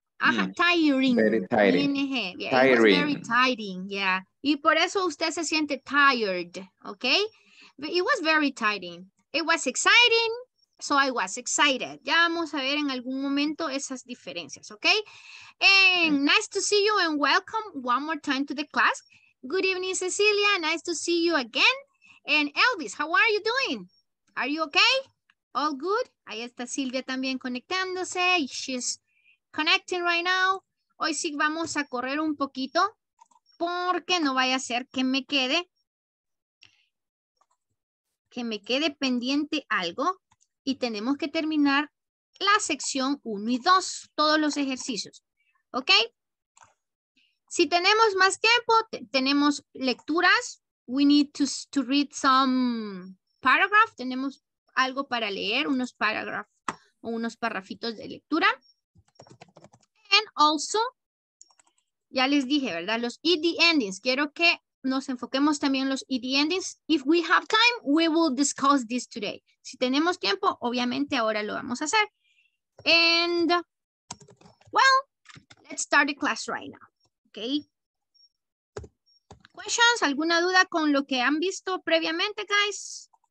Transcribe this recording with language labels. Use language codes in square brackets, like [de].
[en] Ajá, tiring. Very tiring. Yeah, tiring. It was very tiring, yeah. [es] Y por eso usted se siente [en] tired, okay? But it was very tiring. It was exciting, so I was excited. [es] Ya vamos a ver en algún momento esas diferencias, okay? [en] And nice to see you and welcome one more time to the class. Good evening, Cecilia. Nice to see you again. And Elvis, how are you doing? Are you okay? All good? [es] Ahí está Silvia también conectándose. [en] She's connecting right now. [es] Hoy sí vamos a correr un poquito porque no vaya a ser que me quede pendiente algo y tenemos que terminar la sección 1 y 2, todos los ejercicios, ¿ok? Si tenemos más tiempo, tenemos lecturas, [en] we need to read some paragraph, [es] tenemos algo para leer, unos paragraph o unos parrafitos de lectura. [en] And also, [es] ya les dije, ¿verdad? Los ED endings. Quiero que nos enfoquemos también en los ED endings. [en] If we have time, we will discuss this today. [es] Si tenemos tiempo, obviamente ahora lo vamos a hacer. [en] And, well, let's start the class right now. Okay. Questions? [es] ¿Alguna duda con lo que han visto previamente, guys?